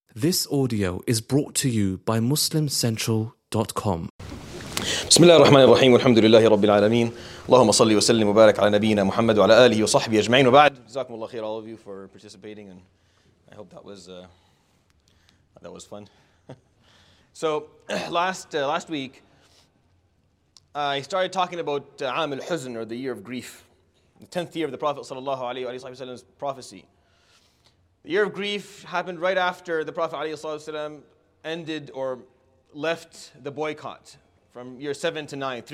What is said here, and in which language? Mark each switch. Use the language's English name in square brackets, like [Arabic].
[English] This audio is brought to you by MuslimCentral.com. [Arabic] بسم الله الرحمن الرحيم والحمد لله رب العالمين اللهم صل وسلم وبارك على نبينا محمد وعلى آله وصحبه أجمعين وبعد جزاكم الله خير [English] all of you for participating and I hope that was fun. So last week I started talking about عام الحزن or the year of grief, the 10th year of the Prophet صلى الله عليه وسلم's prophecy. The year of grief happened right after the Prophet ﷺ ended or left the boycott from year 7 to 9.